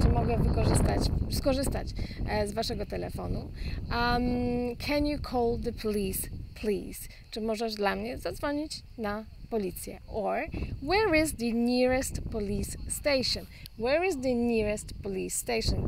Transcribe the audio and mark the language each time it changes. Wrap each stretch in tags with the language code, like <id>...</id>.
<pl>Czy mogę skorzystać z waszego telefonu?</pl> <en>Can you call the police, please?</en> <pl>Czy możesz dla mnie zadzwonić na policję?</pl> <en>Or, where is the nearest police station? Where is the nearest police station?</en>